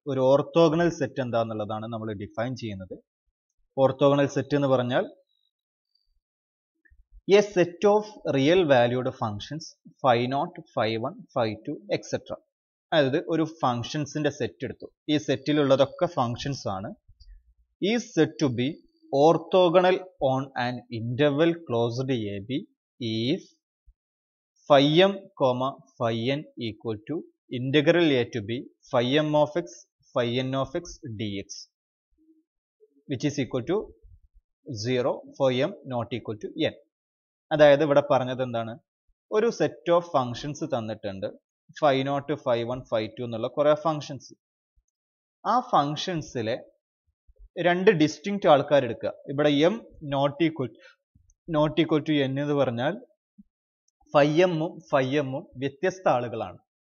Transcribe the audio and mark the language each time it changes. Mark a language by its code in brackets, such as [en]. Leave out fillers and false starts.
[ml] ഒരു orthogonal set എന്താന്നുള്ളതാണ് നമ്മൾ define ചെയ്യുന്നത്. ഓർത്തോഗണൽ സെറ്റ് എന്ന് പറഞ്ഞാൽ [en] A set of real valued functions phi not phi one phi two etcetera. [ml] അതായത് ഒരു ഫംഗ്ഷൻസിന്റെ സെറ്റ് എടുത്തു, ഈ സെറ്റിലുള്ളതൊക്കെ ഫംഗ്ഷൻസ് ആണ്. ഈ set [en] To B orthogonal on an interval closed AB is phi m comma phi n equal to integral A to B phi m of x phi n of x dx, which is equal to 0 phi m not equal to n. [ml] അതായത് ഇവിടെ പറഞ്ഞത് എന്താണ്, ഒരു set of functions തന്നിട്ടുണ്ട്, phi not phi one phi to എന്നുള്ള കുറെ functions. ആ ഫംഗ്ഷൻസിലെ രണ്ട് ഡിസ്റ്റിങ്റ്റ് ആൾക്കാർ എടുക്കുക. ഇവിടെ am not equal to N എന്ന് പറഞ്ഞാൽ ഫൈ എമ്മും ഫൈ എമ്മും വ്യത്യസ്ത ആളുകളാണ്.